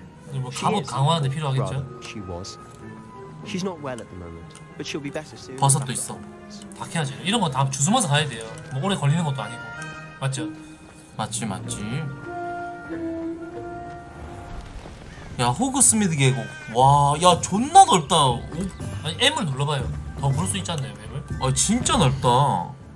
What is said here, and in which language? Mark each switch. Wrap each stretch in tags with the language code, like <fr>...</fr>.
<ko>이거 뭐 갑옷 강화하는데 필요하겠죠?</ko> <en>She was. She's not well at the moment, but she'll be better soon.</en> <ko>버섯도 있어. 다 캐야지. 이런 거 다 주스마서 가야 돼요. 뭐 오래 걸리는 것도 아니고. 맞죠? 맞지, 맞지. 야, 호그스미드 계곡. 와, 야, 존나 넓다. 오. 아니, M을 눌러봐요. 더 부를 수 있지 않나요, M을? 아, 진짜 넓다.</ko>